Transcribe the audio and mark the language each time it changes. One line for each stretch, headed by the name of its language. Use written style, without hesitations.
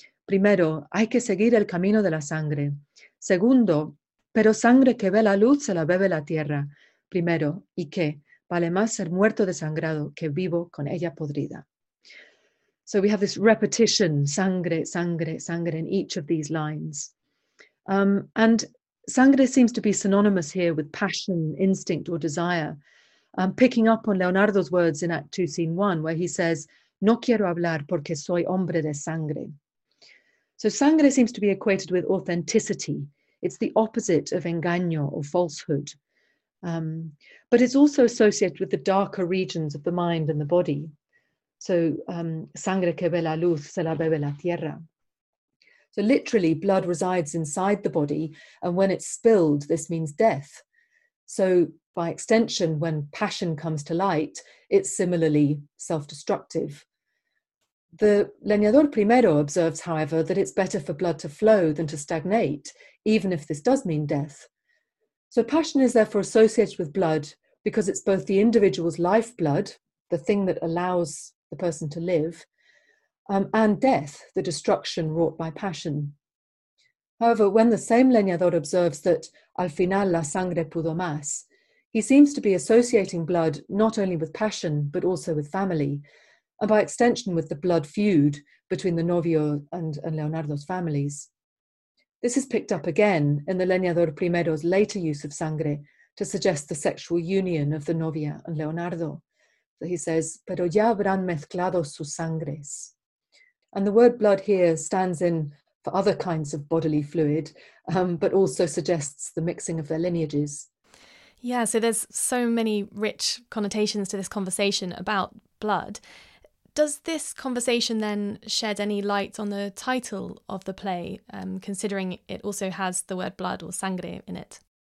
Spanish: Primero, hay que seguir el camino de la sangre. Segundo, pero sangre que ve la luz se la bebe la tierra. Primero, y que vale más ser muerto desangrado que vivo con ella podrida.
English: So we have this repetition, sangre, sangre, sangre, in each of these lines. And sangre seems to be synonymous here with passion, instinct, or desire. Picking up on Leonardo's words in Act 2, Scene 1, where he says,
Spanish: no quiero hablar porque soy hombre de sangre.
English: So sangre seems to be equated with authenticity. It's the opposite of engaño or falsehood. But it's also associated with the darker regions of the mind and the body.
Spanish: So sangre que ve la luz se la bebe la tierra.
English: So literally, blood resides inside the body, and when it's spilled, this means death. So by extension, when passion comes to light, it's similarly self-destructive. The leñador primero observes, however, that it's better for blood to flow than to stagnate, even if this does mean death. So passion is therefore associated with blood because it's both the individual's lifeblood, the thing that allows the person to live, and death, the destruction wrought by passion. However, when the same leñador observes that
Spanish: al final la sangre pudo más,
English: he seems to be associating blood not only with passion, but also with family, and by extension with the blood feud between the novio and Leonardo's families. This is picked up again in the Leñador Primero's later use of sangre to suggest the sexual union of the novia and Leonardo. So he says,
Spanish: pero ya habrán mezclado sus sangres.
English: And the word blood here stands in for other kinds of bodily fluid, but also suggests the mixing of their lineages. Yeah, so there's so many rich connotations to this conversation about blood. Does this conversation then shed any light on the title of the play, considering it also has the word blood or sangre in it?